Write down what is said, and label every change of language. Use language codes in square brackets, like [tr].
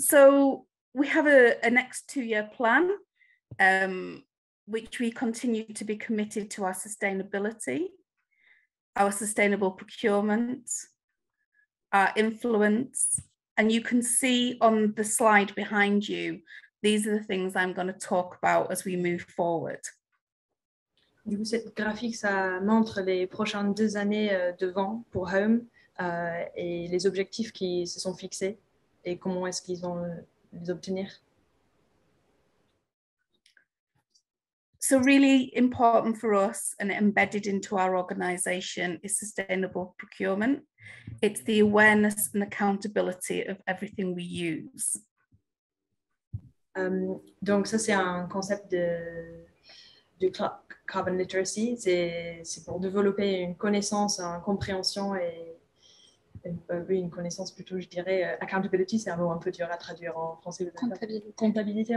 [en] So we have a next 2 year plan, which we continue to be committed to our sustainability, our sustainable procurement, our influence. And you can see on the slide behind you, these are the things I'm going to talk about as we move forward. [fr] Du coup, cette graphique, ça montre les prochaines 2 années devant pour Home et les objectifs qui se sont fixés et comment est-ce qu'ils vont les obtenir. [en] So really important for us and embedded into our organization is sustainable procurement. It's the awareness and accountability of everything we use. [fr] Donc ça, c'est un concept de carbon literacy, c'est pour développer une connaissance, une compréhension et une connaissance plutôt, je dirais, accountability, c'est un mot un peu dur à traduire en français. Comptabilité,